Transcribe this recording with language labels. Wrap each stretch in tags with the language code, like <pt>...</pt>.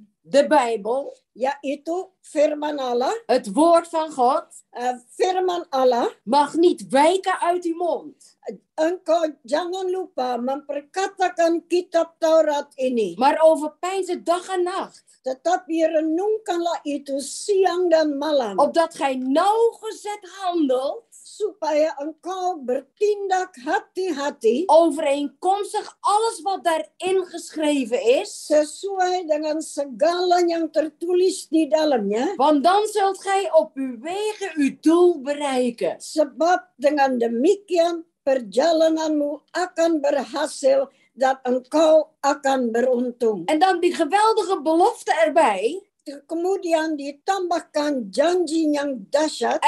<nl>De Bijbel.</nl> <id>Yaitu firman Allah.</id> <nl>Het woord van God.</nl> <id>Firman Allah.</id> <nl>Mag niet wijken uit uw mond.</nl> <id>Engkau jangan lupa memperkatakan kitab Taurat ini.</id> <nl>Maar overpeins het dag en nacht.</nl> <id>Tetapi renungkanlah itu siang dan malam.</id> <nl>Opdat gij nauwgezet handelt.</nl> <id>Supaya engkau bertindak hati-hati.</id> <nl>Overeenkomstig alles wat daarin geschreven is.</nl> <id>Sesuai dengan segala yang tertulis di dalamnya.</id> <nl>Want dan zult gij op uw wegen uw doel bereiken.</nl> <id>Sebab dengan demikian perjalananmu akan berhasil dat engkau akan beruntung.</id> <nl>En dan die geweldige belofte erbij.</nl> <id>Kemudian ditambahkan janji yang dahsyat.</id>